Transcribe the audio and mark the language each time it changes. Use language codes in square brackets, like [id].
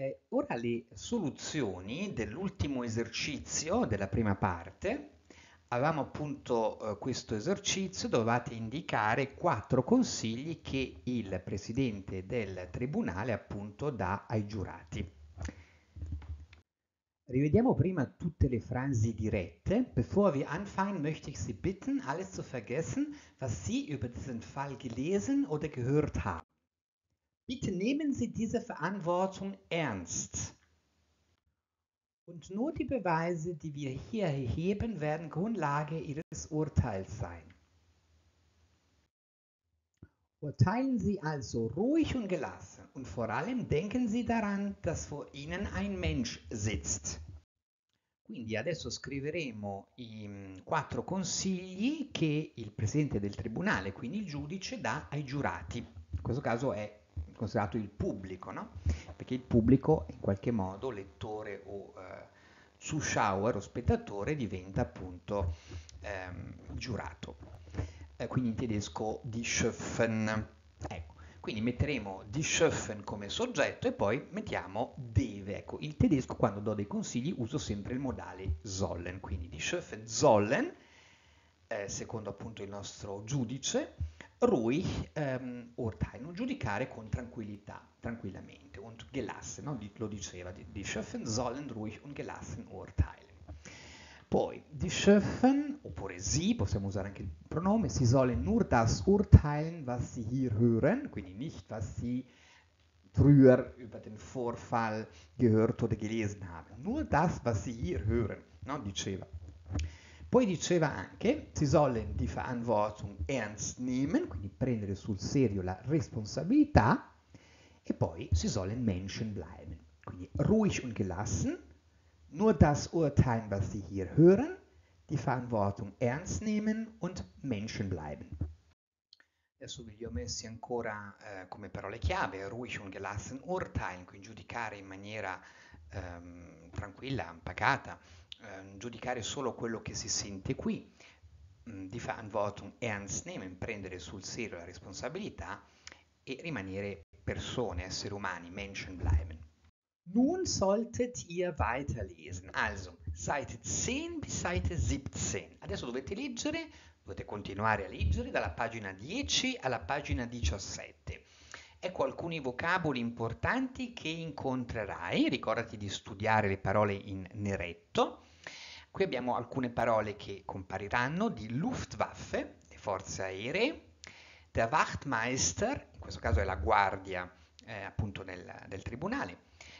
[it] Ora le soluzioni dell'ultimo esercizio della prima parte. Avevamo appunto questo esercizio, dovevate indicare quattro consigli che il presidente del tribunale appunto dà ai giurati. Rivediamo prima tutte le frasi dirette. [de] Bevor wir anfangen, möchte ich Sie bitten, alles zu vergessen, was Sie über diesen Fall gelesen oder gehört haben. Bitte nehmen Sie diese Verantwortung ernst. Und nur die Beweise, die wir hier erheben, werden Grundlage Ihres Urteils sein. Urteilen Sie also ruhig und gelassen und vor allem denken Sie daran, dass vor Ihnen ein Mensch sitzt. [it] Quindi adesso scriveremo i quattro consigli che il presidente del tribunale, quindi il giudice, dà ai giurati. In questo caso è considerato il pubblico, no? Perché il pubblico, in qualche modo, lettore o zuschauer o spettatore, diventa appunto giurato. Quindi in tedesco die Schöffen. Ecco, quindi metteremo die Schöffen come soggetto e poi mettiamo deve. Ecco, il tedesco quando do dei consigli uso sempre il modale sollen, quindi [de] die Schöffen sollen, [it] secondo appunto il nostro giudice, [de] ruhig urteilen, [it] giudicare con tranquillità, tranquillamente, [de] und gelassen, [it] no? Lo diceva, [de] die Schöffen sollen ruhig und gelassen urteilen. Poi, die Schöffen, oppure sie, [it] possiamo usare anche il pronome, [de] sie sollen nur das urteilen, was sie hier hören, quindi nicht, was sie früher über den Vorfall gehört oder gelesen haben. Nur das, was sie hier hören, no? [it] Diceva. Poi diceva anche, [de] sie sollen die Verantwortung ernst nehmen, [it] quindi prendere sul serio la responsabilità, e poi [de] sie sollen Menschen bleiben, [it] quindi [de] ruhig und gelassen. Nur das urteilen, was Sie hier hören, die Verantwortung ernst nehmen und Menschen bleiben. [it] Adesso vi ho messi ancora come parole chiave, [de] ruhig und gelassen urteilen, [it] quindi giudicare in maniera tranquilla, pacata, giudicare solo quello che si sente qui, [de] die Verantwortung ernst nehmen, [it] prendere sul serio la responsabilità e rimanere persone, esseri umani, [de] Menschen bleiben. Nun solltet ihr weiterlesen. Also, Seite 10 bis Seite 17. [it] Adesso dovete leggere, dovete continuare a leggere dalla pagina 10 alla pagina 17. Ecco alcuni vocaboli importanti che incontrerai. Ricordati di studiare le parole in neretto. Qui abbiamo alcune parole che compariranno di Luftwaffe, le forze aeree, der Wachtmeister, in questo caso è la guardia, appunto del tribunale.